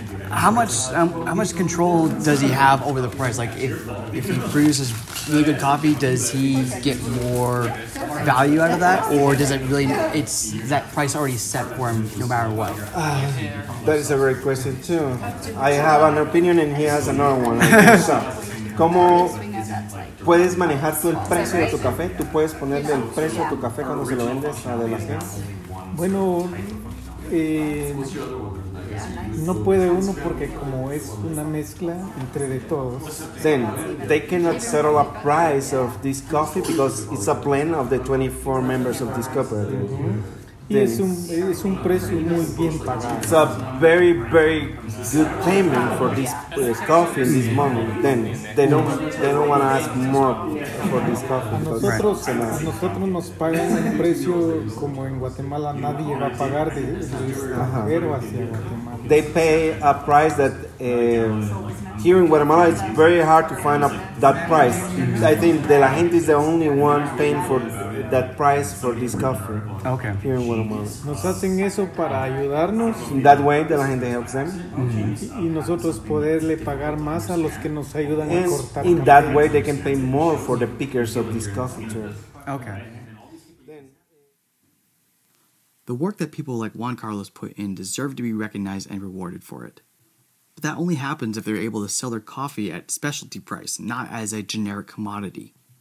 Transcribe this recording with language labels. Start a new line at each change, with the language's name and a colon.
English: How much control does he have over the price? Like, if he produces really good coffee, does he get more value out of that, or does it really? It's that price already set for him, no matter what. That is a great question too. I have an opinion, and he has another one.
Spanish: Como puedes manejar tú el precio de tu café? Tú puedes ponerle el precio a tu café cuando se lo vendes a De La Gente. Bueno. No puede uno porque como es una mezcla entre de todos.
English: Then they cannot settle a price of this coffee because it's a blend of the 24 members of this cooperative. Mm-hmm. things.
Spanish: Es un precio muy bien pagado.
English: It's a very, very good payment for this coffee in this moment. Then they don't want to ask more for this coffee.
Spanish: Nosotros nos pagan un precio como en Guatemala nadie va a pagar de extranjero hacia Guatemala.
English: They pay a price that here in Guatemala it's very hard to find that price. I think De La Gente is the only one paying for that price for this coffee. Okay. Here in Guatemala.
Spanish: Nos hacen eso para ayudarnos.
English: That way De La Gente helps them.
Spanish: Y nosotros poderle pagar más a los que nos ayudan a cortar.
English: In that way they can pay more for the pickers of this coffee too. Okay. The work that people like Juan Carlos put in deserve to be recognized and rewarded for it. But that only happens if they're able to sell their coffee at specialty price, not as a generic commodity.